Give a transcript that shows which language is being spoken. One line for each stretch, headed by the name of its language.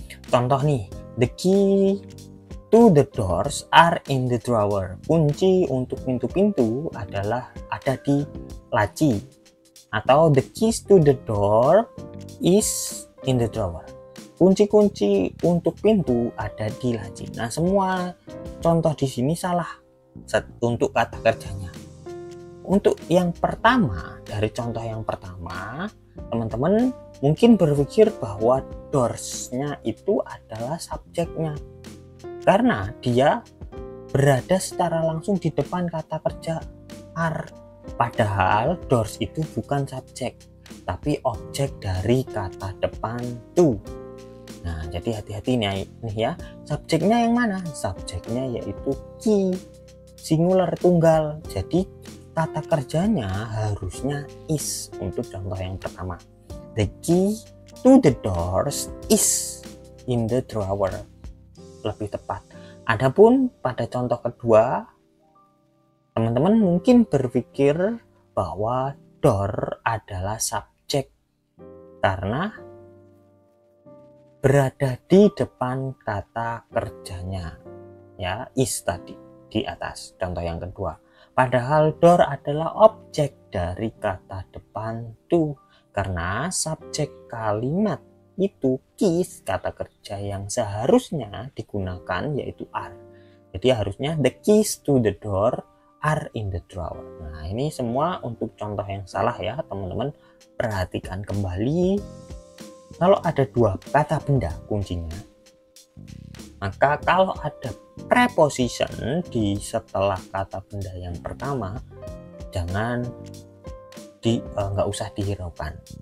Indonesian: Contoh nih,
English: the key to the doors are in the drawer.
Indonesian: Kunci untuk pintu-pintu adalah ada di laci. Atau
English: the keys to the door is in the drawer.
Indonesian: Kunci-kunci untuk pintu ada di laci. Nah, semua contoh di sini salah untuk kata kerjanya. Untuk yang pertama, dari contoh yang pertama, teman-teman mungkin berpikir bahwa doors-nya itu adalah subjeknya. Karena dia berada secara langsung di depan kata kerja are. Padahal doors itu bukan subjek, tapi objek dari kata depan to. Nah, jadi hati-hati nih ya. Subjeknya yang mana? Subjeknya yaitu key, singular tunggal. Jadi kata kerjanya harusnya is untuk contoh yang pertama.
English: The key to the doors is in the drawer.
Indonesian: Lebih tepat. Adapun pada contoh kedua, teman-teman mungkin berpikir bahwa door adalah subjek karena berada di depan kata kerjanya, ya, is tadi di atas contoh yang kedua. Padahal door adalah objek dari kata depan to, karena subjek kalimat itu is kata kerja yang seharusnya digunakan yaitu are. Jadi harusnya
English: the keys to the door are in the drawer.
Indonesian: Nah, ini semua untuk contoh yang salah ya, teman-teman. Perhatikan kembali. Kalau ada dua kata benda kuncinya, maka kalau ada preposition di setelah kata benda yang pertama, jangan di enggak usah dihiraukan.